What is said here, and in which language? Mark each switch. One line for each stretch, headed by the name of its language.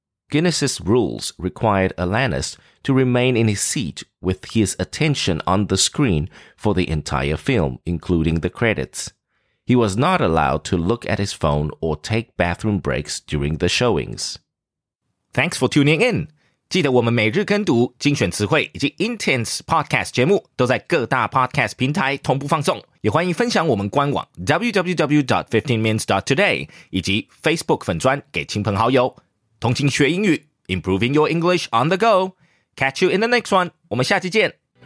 English: Guinness's rules required Alanis to remain in his seat with his attention on the screen for the entire film, including the credits. He was not allowed to look at his phone or take bathroom breaks during the showings. Thanks for tuning in.
Chinese: 记得我们每日跟读精选词汇以及 Intense Podcast 节目都在各大 Podcast 平台同步放送。也欢迎分享我们官网 www.15mins.today 以及 Facebook 粉专给亲朋好友。同情学英语
English: ,improving your English on the go. Catch you in the next one.
Chinese: 我们下期见。